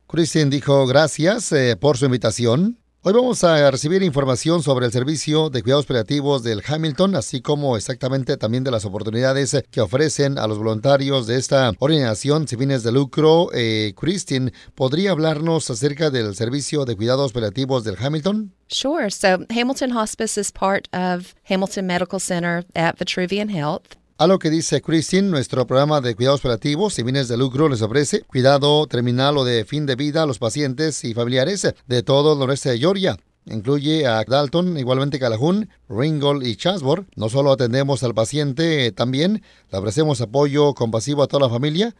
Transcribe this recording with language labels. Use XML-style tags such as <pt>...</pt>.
<es>Christine dijo gracias por su invitación. Hoy vamos a recibir información sobre el Servicio de Cuidados Paliativos del Hamilton, así como exactamente también de las oportunidades que ofrecen a los voluntarios de esta organización sin fines de lucro. Christine, ¿podría hablarnos acerca del Servicio de Cuidados Paliativos del Hamilton?</es> <en>Sure. So Hamilton Hospice is part of Hamilton Medical Center at Vitruvian Health.</en> <es>A lo que dice Christine, nuestro programa de cuidados paliativos sin fines de lucro les ofrece cuidado terminal o de fin de vida a los pacientes y familiares de todo el noreste de Georgia. Incluye a Dalton, igualmente Calhoun, Ringgold y Chatsworth. No solo atendemos al paciente, también le ofrecemos apoyo compasivo a toda la familia.</es>